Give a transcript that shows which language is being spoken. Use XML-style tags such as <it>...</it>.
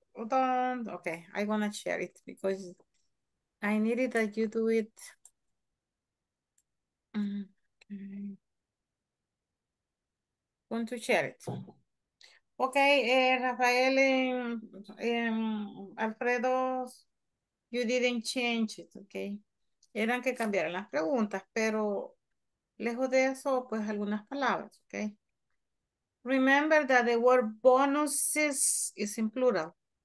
<en>Don't, okay. I want to share it because I needed that you do it. Okay. Want to share it. Okay, Rafael and Alfredo, you didn't change it, okay?</en> <es>Eran que cambiaran las preguntas, pero lejos de eso, pues algunas palabras, okay?</es> <en>Remember that the word bonuses is in plural.</en>